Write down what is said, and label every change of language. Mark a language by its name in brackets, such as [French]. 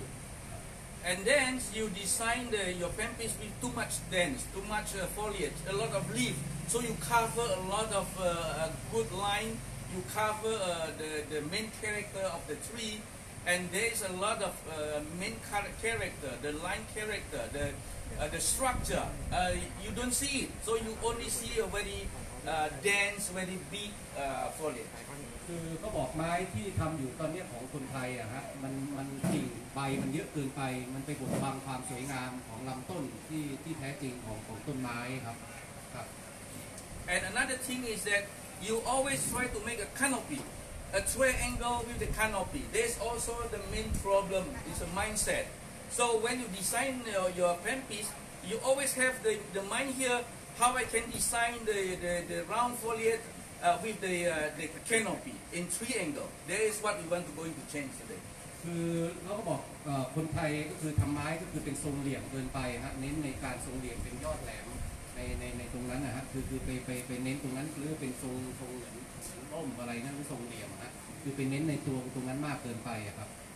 [English] and then you design your pemphis with too much dense too much foliage a lot of leaf so you cover a lot of good lineYou cover the main character of the tree, and there is a lot of main character, the line character, the structure. You don't see it, so you only see a very dense, very big foliage. [Thai] คือเขาบอกไม้ที่ทำอยู่ตอนนี้ของคนไทยอะฮะมันกิ่งใบมันเยอะเกินไปมันไปบดบังความสวยงามของลำต้นที่แท้จริงของต้นไม้ครับ [English] And another thing is that. You always try to make a canopy, a triangle with the canopy. That's also the main problem. It's a mindset. So when you design your pemphis, you always have the mind here, how I can design the round foliage with the canopy in triangle. That is what we want to go into change today. [Thai] คือเราก็บอกคนไทยก็คือทำไม้ก็คือเป็นทรงเหลี่ยมเกินไปฮะเน้นในการทรงเหลี่ยมเป็นยอดแหลมในตรงนั้นนะฮะคือไปเน้นตรงนั้นหรือเป็นทรงเหลี่ยมอะไรนั่นหรือทรงเหลี่ยมฮะคือไปเน้นในตรงนั้นมากเกินไปครับ